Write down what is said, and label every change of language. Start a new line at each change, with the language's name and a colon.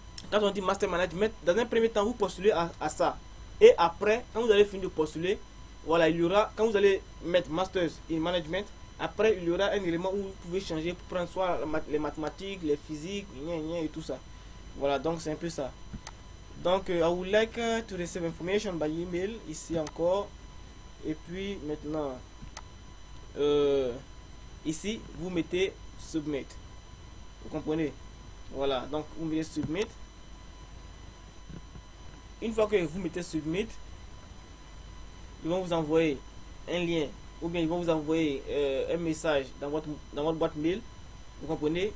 French: Quand on dit master management, dans un premier temps, vous postulez à ça. Et après, quand vous allez finir de postuler, voilà, il y aura, quand vous allez mettre master in management, après, il y aura un élément où vous pouvez changer pour prendre soit les mathématiques, les physiques, et tout ça. Voilà, donc c'est un peu ça.
English: Donc, I would like to receive information by email,
French: ici encore. Et puis maintenant, ici, vous mettez submit. Vous comprenez? Voilà, donc vous mettez submit. Une fois que vous mettez submit, ils vont vous envoyer un lien ou bien ils vont vous envoyer un message dans votre boîte mail. Vous comprenez?